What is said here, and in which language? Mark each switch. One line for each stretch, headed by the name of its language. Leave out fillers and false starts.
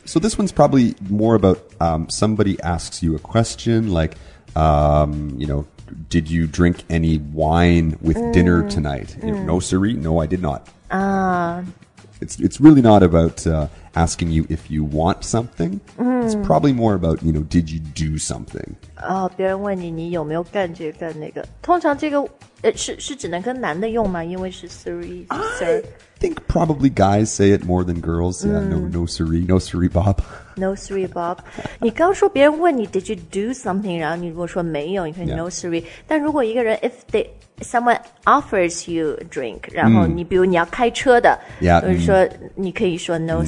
English: So this one's probably more about、somebody asks you a question like,、you know,Did you drink any wine with dinner tonight? No, siree, no, I did not. It's really not about asking you if you want something. It's probably more about, you know, did you do something?
Chinese: 别人问你你有没有干这个干那个。通常这个是只能跟男的用吗因为是 siree, sir.
English: I think probably guys say it more than girls. Yeah, no siree, no siree, Bob.
Chinese: No Siri, Bob. 你刚说别人问你
English: Did you do something?
Chinese: 然后你如果说没有，你可以 No Siri. 但如果一个人
English: If someone offers you a drink,
Chinese: 然后你比如你要开车的，就是说你可以说 No Siri.